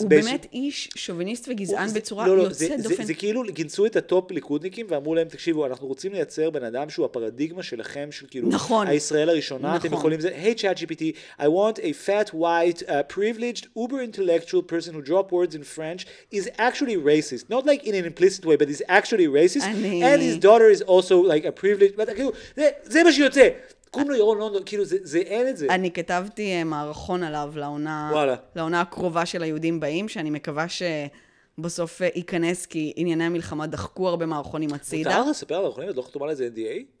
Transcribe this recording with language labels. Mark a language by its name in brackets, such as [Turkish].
[Hebrew] הוא באמת איש שוביניסט וגזען בצורה יוצאת דופן. זה כאילו, גינסו את הטופ ליכודניקים ואמרו להם, תקשיבו, אנחנו רוצים לייצר בן אדם שהוא הפרדיגמה שלכם, של כאילו, הישראל הראשונה, אתם יכולים זה, [English] hey ChatGPT, I want a fat, white, privileged, uber-intellectual person who drop words in French is actually racist. Not like in an implicit way, but is actually racist. And his daughter is also like a privileged... But, [Hebrew] כאילו, זה מה שיוצא. קוראים לו ירון לונדון, כאילו, זה אין את זה. אני כתבתי מערכון עליו לעונה הקרובה של היהודים באים, שאני מקווה שבסוף ייכנס, כי ענייני המלחמה דחקו הרבה מערכונים הצידה. מותר לספר על מערכונים? את לא חתומה לזה NDA?